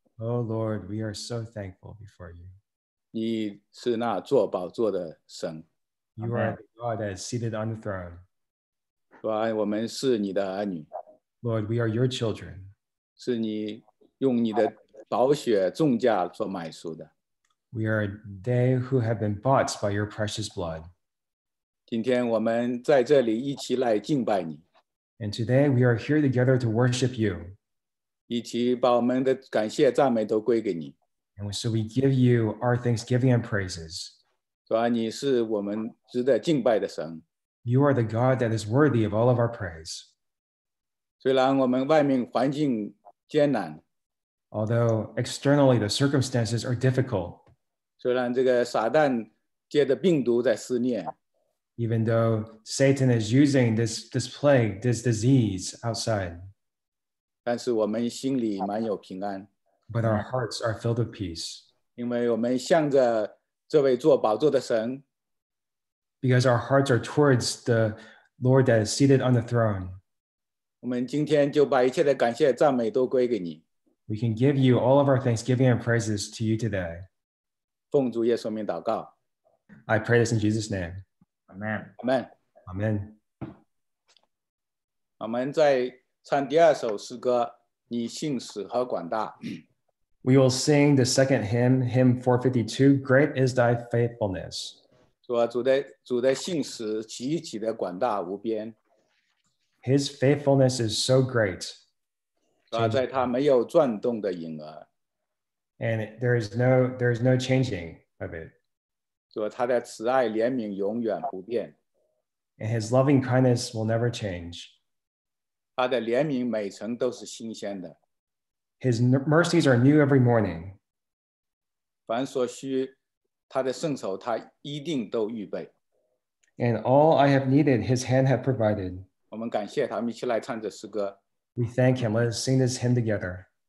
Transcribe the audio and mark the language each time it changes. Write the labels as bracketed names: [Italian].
[English] Oh Lord, we are so thankful before you. [Chinese] 你是那坐宝座的神。 [English] You are the God that is seated on the throne. [Chinese] 主，我们是你的儿女。 [English] Lord, we are your children. [Chinese] 是你用你的宝血重价所买赎的。 [English] We are they who have been bought by your precious blood. [Chinese] 今天我们在这里一起来敬拜你。 [English] And today we are here together to worship you. [Chinese] 一起把我们的感谢赞美都归给你。 [English] And so we give you our thanksgiving and praises. [Chinese] 主啊，你是我们值得敬拜的神。 [English] You are the God that is worthy of all of our praise. [Chinese] 虽然我们外面环境艰难。 [English] Although externally the circumstances are difficult. [Chinese] 虽然这个撒旦借着病毒在肆虐。 [English] Even though Satan is using this plague, this disease outside. [Chinese] 但是我们心里满有平安。 [English] But our hearts are filled with peace. [Chinese] 因为我们向着这位坐宝座的神。 [English] Because our hearts are towards the Lord that is seated on the throne. [Chinese] 我们今天就把一切的感谢赞美都归给你。 [English] We can give you all of our thanksgiving and praises to you today. [Chinese] 奉主耶稣名祷告。 [English] I pray this in Jesus' name. Amen. Amen. Amen. [Chinese] 我们再唱第二首诗歌，你信使何广大。 [English] We will sing the second hymn, hymn 452, Great is thy faithfulness. [Chinese] 主的信使极其的广大无边。 [English] His faithfulness is so great. [Chinese] 在他没有转动的影儿。 [English] And there is no changing of it. [Chinese] 主他的慈爱怜悯永远不变。 [English] And his loving kindness will never change. [Chinese] 他的怜悯每程都是新鲜的。 [English] His mercies are new every morning. [Chinese] 凡所需他的圣手他一定都预备。 [English] And all I have needed, his hand have provided. [Chinese] 我们感谢他，我们一起来唱这诗歌。 [English] We thank him. Let us sing this hymn together.